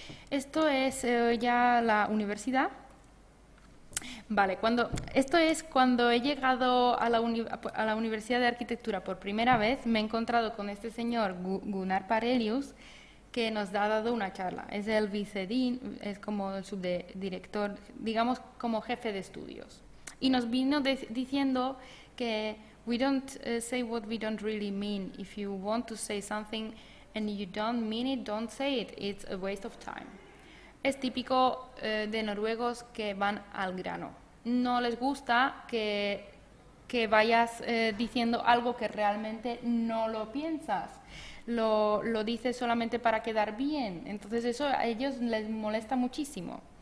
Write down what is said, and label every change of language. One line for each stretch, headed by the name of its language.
Spanish: Esto es ya la universidad. Vale, esto es cuando he llegado a la Universidad de Arquitectura por primera vez, me he encontrado con este señor Gunnar Parelius, que nos ha dado una charla. Es el vicedin, es como el subdirector, digamos como jefe de estudios. Y nos vino diciendo que
English: we don't say what we don't really mean. If you want to say something and you don't mean it, don't say it. It's a waste of time.
Spanish: Es típico de noruegos que van al grano. No les gusta que vayas diciendo algo que realmente no lo piensas. Lo dice solamente para quedar bien. Entonces eso a ellos les molesta muchísimo.